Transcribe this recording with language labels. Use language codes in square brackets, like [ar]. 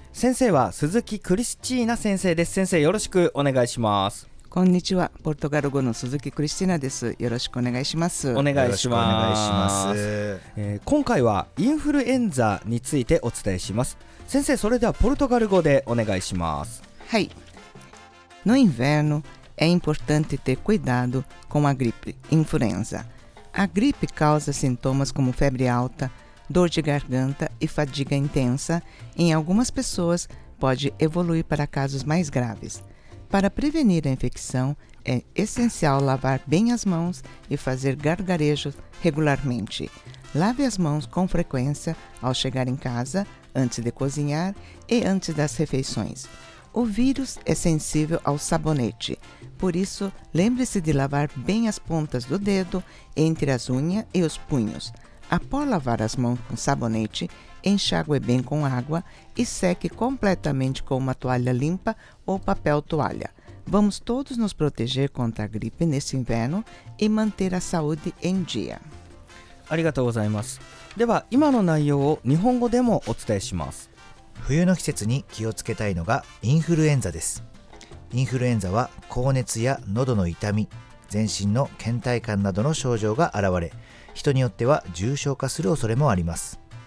[ja] 先生は鈴木クリスチーナ先生です。先生よろしくお願いします。こんにちは、ポルトガル語の鈴木クリスチーナです。よろしくお願いします。お願いします。今回はインフルエンザについてお伝えします。先生それではポルトガル語でお願いします。はい。 [pt] No inverno é importante ter cuidado com a gripe influenza. A gripe causa sintomas como febre alta, dor de garganta e fadiga intensa. Em algumas pessoas pode evoluir para casos mais graves. Para prevenir a infecção, é essencial lavar bem as mãos e fazer gargarejos regularmente. Lave as mãos com frequência ao chegar em casa, antes de cozinhar e antes das refeições. O vírus é sensível ao sabonete, por isso lembre-se de lavar bem as pontas do dedo entre as unhas e os punhos. Após lavar as mãos com sabonete, enxague bem com água e seque completamente com uma toalha limpa ou papel toalha. Vamos todos nos proteger contra a gripe nesse inverno e manter a saúde em dia. Obrigado. [ja] では今の内容を日本語でもお伝えします。冬の季節に気をつけたいのがインフルエンザです。インフルエンザは高熱や喉の痛み、全身の倦怠感などの症状が現れ、人によっては重症化する恐れもあります。